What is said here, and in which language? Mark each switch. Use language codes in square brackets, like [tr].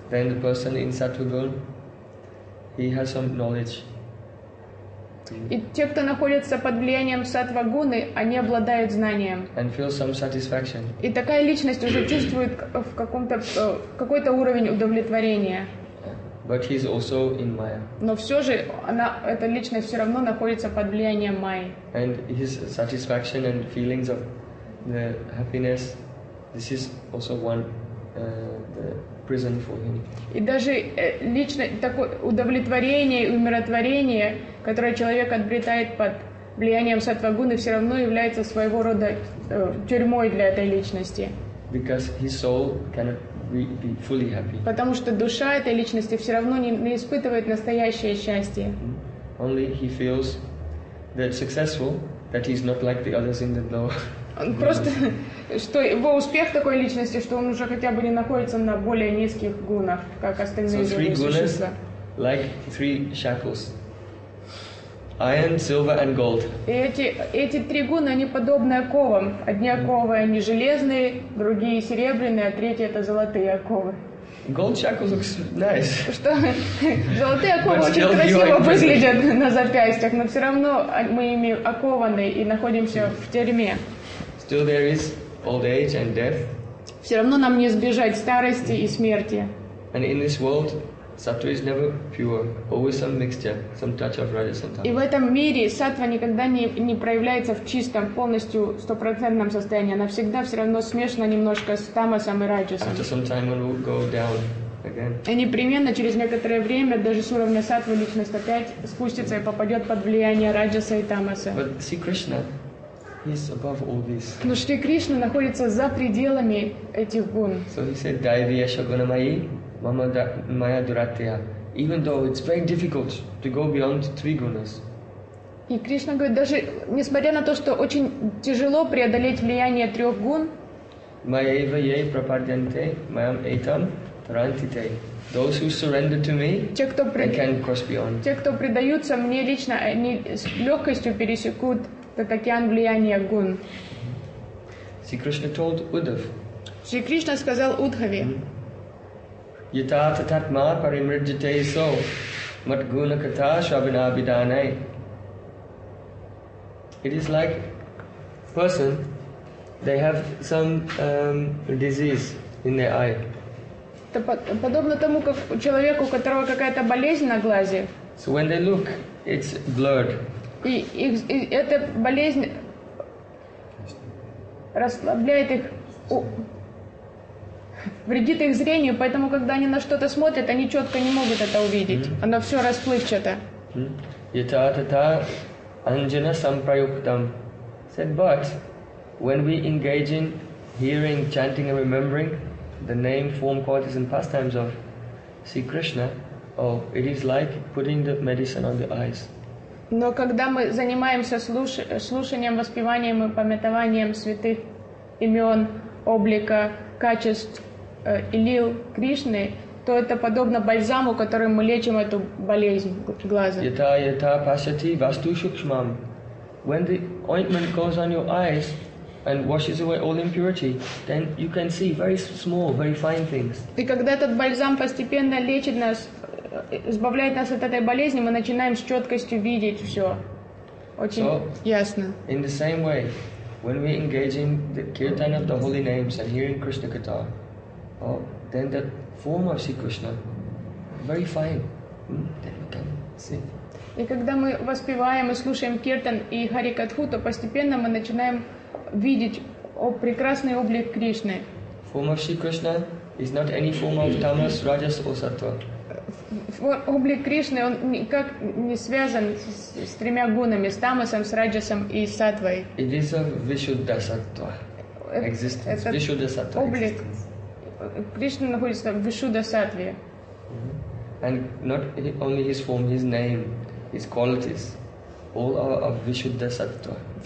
[en] Then the person in сатва-гун, he has some knowledge. [ru] И те, кто находится под влиянием сатва-гуны, они обладают знанием. [en] And feel some satisfaction. [ru] И такая личность уже чувствует в каком-то, какой-то уровень удовлетворения. [en] But he's also in Maya. [ru] Но все же она, эта личность все равно находится под влиянием майи. [en] And his satisfaction and feelings of the happiness, this is also one the prison for him. [ru] И даже личное такое удовлетворение и умиротворение, которое человек обретает под влиянием сатвагуны, все равно является своего рода тюрьмой для этой личности. [en] Because his soul cannot be fully happy. [ru] Потому что душа этой личности все равно не испытывает настоящее счастье. [en] Only he feels that successful, that he's not like the others in the lower. [ru] Он просто, что его успех такой личности, что он уже хотя бы не находится на более низких гунах, как остальные существа. [en] So three gunas, like three shackles. Iron, silver and gold. [ru] И эти три гуны, они подобны оковам. Одни оковы, они железные, другие серебряные, а третьи это золотые оковы. [en] Gold shackles look nice. [ru] Что? Золотые оковы очень красиво выглядят на запястьях, но все равно мы ими окованы и находимся в тюрьме. [en] Still there is old age and death. [ru] Все равно нам не избежать старости и смерти. [en] And in this world, sattva is never pure. Always some mixture, some touch of rajas and tamas. [ru] И в этом мире сатва никогда не проявляется в чистом, полностью стопроцентном состоянии. Она всегда все равно смешана немножко с тамасом и раджасом. [en] After some time, one will go down again. [ru] И непременно через некоторое время даже с уровня сатвы личность опять спустится и попадет под влияние раджаса и тамаса. [en] But see Krishna. He's above all this. [ru] Но Шри Кришна находится за пределами этих гун. [en] So he said, [sa] "Daivi yasha guna mayi, mama maya duratya." [en] Even though it's very difficult to go beyond three gunas. [ru] И Кришна говорит, даже несмотря на то, что очень тяжело преодолеть влияние трех гун. [sa] Maya eva yai prapadyante, mayam etam, Прантите. [en] Those who surrender to me, [ru] те, кто [en] they can cross beyond. [ru] Те, кто предаются мне лично, они с легкостью пересекут этот океан влияния гун. [en] Sri Krishna told Uddhav. [ru] Sri Krishna сказал Удхаве. [sa] Yatata tatma parimrjate so mat guna katha shabina bidanai. [en] It is like person, they have some disease in their eye. [ru] Это подобно тому, как у человека, у которого какая-то болезнь на глазе. [en] So when they look, it's blurred. [ru] И эта болезнь расслабляет их, вредит их зрению, поэтому когда они на что-то смотрят, они четко не могут это увидеть. Mm-hmm. Оно все расплывчато. [sa] Yata-tata anjana samprayuktam. [en] Said, but when we engage in hearing, chanting and remembering the name, form, qualities and pastimes of Sri Krishna, oh, it is like putting the medicine on the eyes. [ru] Но когда мы занимаемся слушанием, воспеванием и памятованием святых имен, облика, качеств и лил Кришны, то это подобно бальзаму, которым мы лечим эту болезнь глаза. [sa] Yata-yata pasati vastu shukshmam. [en] When the ointment goes on your eyes and washes away all impurity, then you can see very small, very fine things. [ru] И когда этот бальзам постепенно лечит нас, избавляет нас от этой болезни, мы начинаем с четкостью видеть все. Очень ясно. [en] In the same way, when we engage in the kirtan of the holy names and hearing Krishna katha, oh, then the form of Sri Krishna, very fine, then we can see. [ru] И когда мы воспеваем и слушаем киртан и хари катху, то постепенно мы начинаем видеть о прекрасный облик Кришны. [en] Form of Sri Krishna is not any form of tamas, rajas or sattva. [ru] Облик Кришны, он никак не связан с тремя гунами, с тамасом, с раджасом и с саттвой. [en] It is a вишуддха саттва existence. [ru] Этот вишуддха саттва облик Кришны находится в вишуддха саттве. [en] And not only his form, his name, his qualities, all are of вишуддха саттва.